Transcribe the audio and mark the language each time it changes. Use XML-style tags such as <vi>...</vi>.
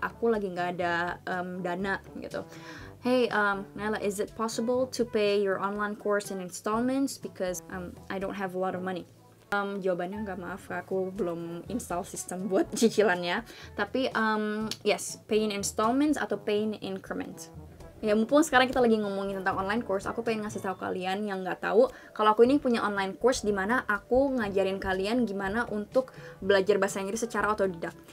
<id>Aku lagi nggak ada dana, gitu.</id> <en>Hey, Nayla, is it possible to pay your online course in installments? Because I don't have a lot of money.</en> <id>Jawabannya nggak, maaf, aku belum install sistem buat cicilannya. Tapi,</id> <en>yes, pay in installments</en> <id>atau</id> <en>pay in increments.</en> <id>Ya, mumpung sekarang kita lagi ngomongin tentang online course, aku pengen ngasih tahu kalian yang nggak tahu, kalau aku ini punya online course di mana aku ngajarin kalian gimana untuk belajar bahasa Inggris secara otodidak.</id>